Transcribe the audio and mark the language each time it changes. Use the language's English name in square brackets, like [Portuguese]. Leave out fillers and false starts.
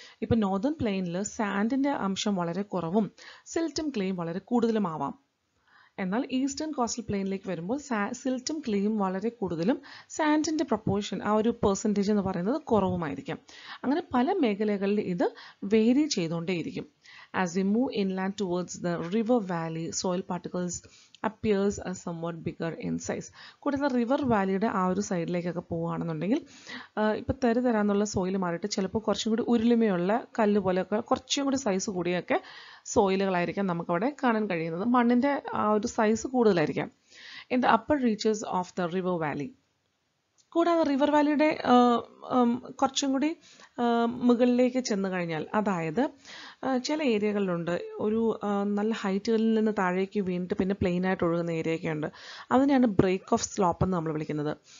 [Malayalam] ഇപ്പോൾ നോർദേൺ പ്ലെയിനിൽ സാൻഡിൻ്റെ അംശം വളരെ കുറവും സിൽറ്റും ക്ലേയും വളരെ കൂടുതലുമാവാം. എന്നാൽ ഈസ്റ്റേൺ കോസ്റ്റൽ പ്ലെയിനിലേക്ക് വരുമ്പോൾ സിൽറ്റും ക്ലേയും വളരെ കൂടുതലും സാൻഡിൻ്റെ പ്രപ്പോർഷൻ, ആ ഒരു പെർസെൻറ്റേജ് എന്ന് പറയുന്നത് കുറവുമായിരിക്കും. അങ്ങനെ പല മേഖലകളിൽ ഇത് vary ചെയ്തുകൊണ്ടേയിരിക്കും. [English] As we move inland towards the river valley, soil particles appears as somewhat bigger in size. [Malayalam] കൂടാതെ റിവർ വാലിയുടെ ആ ഒരു സൈഡിലേക്കൊക്കെ പോവുകയാണെന്നുണ്ടെങ്കിൽ ഇപ്പോൾ തരാന്നുള്ള സോയിൽ മാറിയിട്ട് ചിലപ്പോൾ കുറച്ചും കൂടി ഉരുളിമയുള്ള കല്ല് പോലെയൊക്കെ കുറച്ചും കൂടി സൈസ് കൂടിയൊക്കെ സോയിലുകളായിരിക്കാം നമുക്കവിടെ കാണാൻ കഴിയുന്നത്. മണ്ണിൻ്റെ ആ ഒരു size കൂടുതലായിരിക്കാം. [English] in the upper reaches of the river valley, [Malayalam] കൂടാതെ റിവർ വാലിയുടെ കുറച്ചും കൂടി മുകളിലേക്ക് ചെന്ന് കഴിഞ്ഞാൽ, അതായത് ചില ഏരിയകളിലുണ്ട് ഒരു നല്ല ഹൈറ്റുകളിൽ നിന്ന് താഴേക്ക് വീണിട്ട് പിന്നെ പ്ലെയിനായിട്ട് ഒഴുകുന്ന ഏരിയയൊക്കെ ഉണ്ട്, അതിനെയാണ് ബ്രേക്ക് ഓഫ് സ്ലോപ്പ് എന്ന് നമ്മൾ വിളിക്കുന്നത്.